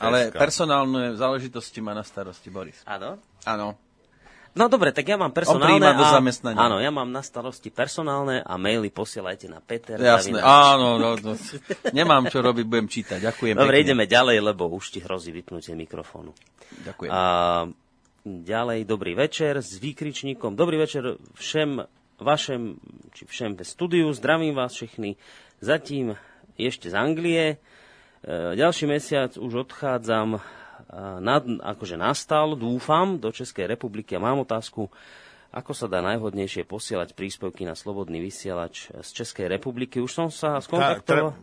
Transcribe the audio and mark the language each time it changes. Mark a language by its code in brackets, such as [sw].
[sk] Ale personálne záležitosti má na starosti Boris. Áno? Áno. No dobre, tak ja mám personálne. On prijíma do zamestnania. Áno, ja mám na starosti personálne a maily posielajte na Peter. Jasné, áno, no, nemám čo robiť, budem čítať. Ďakujem. Dobre, pekne. Ideme ďalej, lebo už ti hrozí vypnutie mikrofónu. Ďakujem. Ďalej, dobrý večer s výkričníkom. Dobrý večer [cs] všem vašem, či všem ve studiu. Zdravím vás všechny. Zatím ešte z Anglie. [sk] Ďalší mesiac už odchádzam... akože nastal, dúfam, do Českej republiky a mám otázku, ako sa dá najhodnejšie posielať príspevky na Slobodný vysielač z Českej republiky. Už som sa skontaktoval.